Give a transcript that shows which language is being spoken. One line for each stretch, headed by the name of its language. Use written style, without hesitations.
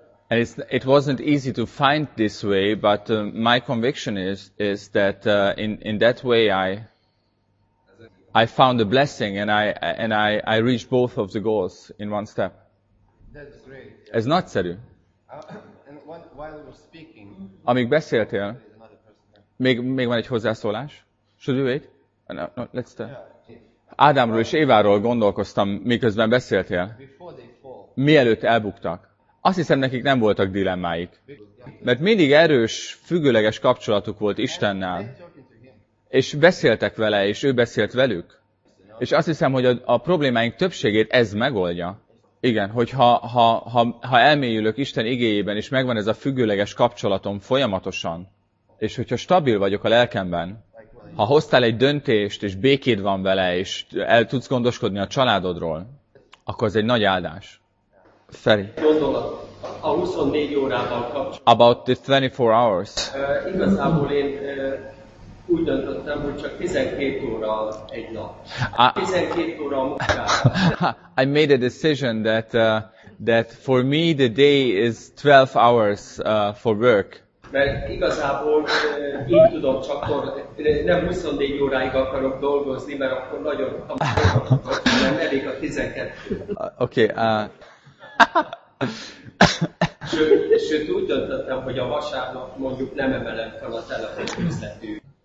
English: And it wasn't easy to find this way, but my conviction is that in that way I found a blessing and I reached both of the goals in one step. That's great.
Hungarian: Yeah. Ez nagyszerű.
English: And while we were speaking,
Hungarian: amíg beszéltél, még van egy hozzászólás.
English: Should we wait? No, let's start.
Hungarian: Ádámról és Éváról gondolkoztam, miközben beszéltél.
English: Before they fall.
Hungarian: Mielőtt elbuktak. Azt hiszem, nekik nem voltak dilemmáik. Mert mindig erős, függőleges kapcsolatuk volt Istennel. És beszéltek vele, és ő beszélt velük. És azt hiszem, hogy a problémáink többségét ez megoldja. Igen, hogy ha elmélyülök Isten igéjében, és megvan ez a függőleges kapcsolatom folyamatosan, és hogyha stabil vagyok a lelkemben, ha hoztál egy döntést, és békéd van vele, és el tudsz gondoskodni a családodról, akkor ez egy nagy áldás. Feri. Gondolat a 24 órával kapcsolatban.
English: About the 24 hours.
Hungarian: Igazából én úgy döntöttem, hogy csak 12 óra egy nap. 12 óra a munkára.
English: I made a decision that for me the day is 12 hours for work.
Hungarian: Mert igazából így tudom csak dolgozni. Nem 24 óráig akarok dolgozni, mert akkor nagyon hamar nem elég a 12.
English: Okay.
Hungarian: Sőt, úgy döntöttem, hogy a vasárnap mondjuk nem emelem fel a telefonkészletű.